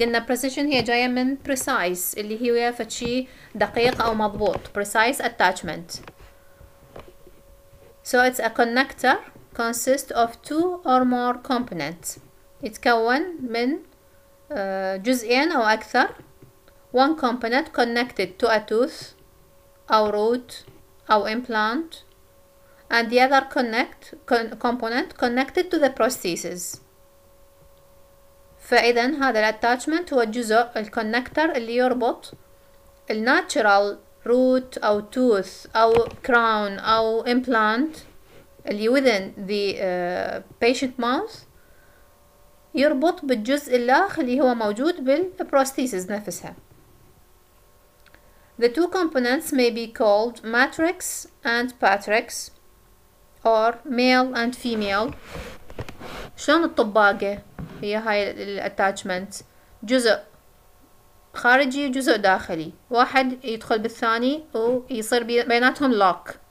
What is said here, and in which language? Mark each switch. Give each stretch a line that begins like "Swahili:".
Arabic: قلنا precision هي جاية من precise اللي هي فتشي دقيق أو مضبوط.
English: Precise attachment. So it's a connector consist of two or more components.
Arabic: يتكون من جزئين أو أكثر.
English: One component connected to a tooth
Arabic: أو
English: root أو implant. And the other component connected to the prosthesis.
Arabic: فإذا هذا الاتاتشمنت هو جزء الكونكتر اللي يربط الناتشرال روت أو توث أو كراون أو إمبلانت اللي
English: within the patient mouth
Arabic: يربط بالجزء الداخلي اللي هو موجود بالبروستيسيس نفسها.
English: The two components may be called matrix and patrix or male and female.
Arabic: شلون الطباقة؟ هي هاي الاتاتشمنت جزء خارجي وجزء داخلي، واحد يدخل بالثاني ويصير بيناتهم لوك.